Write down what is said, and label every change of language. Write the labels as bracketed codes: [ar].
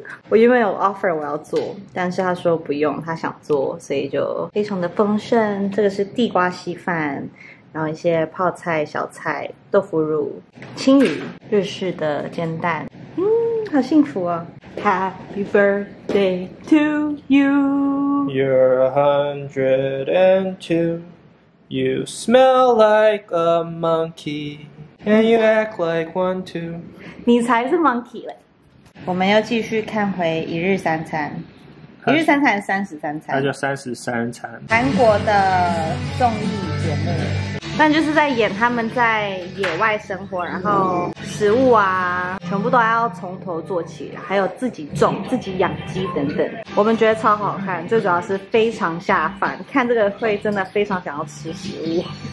[zh] 我原本有 offer 我要做，但是他说不用，他想做，所以就非常的丰盛。这个是地瓜稀饭。然后一些泡菜、小菜、豆腐乳、青鱼、日式的煎蛋，嗯，好幸福哦 ！ [en] Happy birthday to you. You're 102. You smell like a monkey, and you act like one too. [zh] 你才是 monkey 嘞！我们要继续看回一日三餐。一日三餐是三十三餐，它叫三十三餐。韩国的综艺节目。但就是在演他们在野外生活，然后食物啊全部都要从头做起，还有自己种自己养鸡等等，我们觉得超好看，最主要是非常下饭，看这个会真的非常想要吃食物。